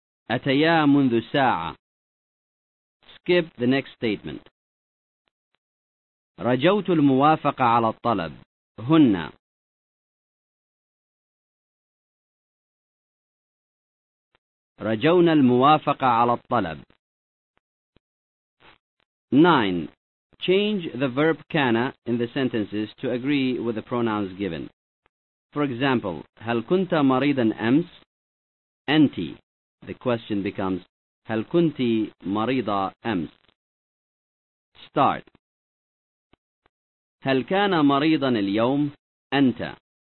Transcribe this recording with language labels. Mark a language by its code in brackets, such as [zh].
[ar] أتيا منذ ساعة. [en] Skip the next statement. [ar] رجوت الموافقة على الطلب. هن. رجونا الموافقة على الطلب. [en] 9. Change the verb كان in the sentences to agree with the pronouns given. For example, [ar] هل كنت مريضا أمس؟ أنت. [en] The question becomes, [ar] هل كنت مريضا أمس؟ [en] Start. [ar] هل كان مريضا اليوم؟ أنت.